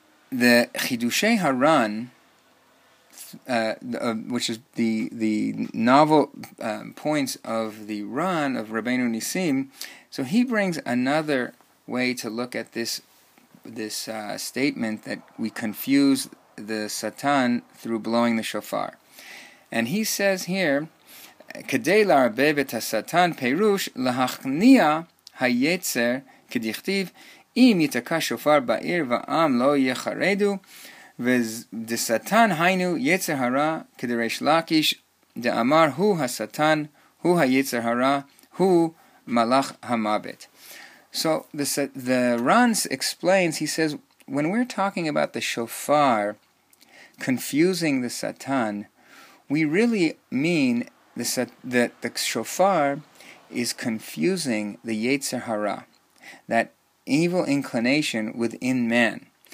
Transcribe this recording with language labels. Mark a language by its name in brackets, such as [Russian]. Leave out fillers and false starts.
[English] The Chidushei Haran, which is the novel points of the Ran of Rabbeinu Nissim, so he brings another way to look at this statement that we confuse the Satan through blowing the shofar. And he says here, [Hebrew] כדי להרבב את השטן פירוש להכניע היצר כדכתיב אם יתקע שופר בעיר ועם לא יחרדו ודשטן היינו יצר הרע כדריש לקיש דאמר הוא השטן הוא היצר הרע הוא מלאך המוות. [English] So the Ranz explains, he says, when we're talking about the shofar confusing the Satan, we really mean that the shofar is confusing the Yetzer Hara, that evil inclination within man.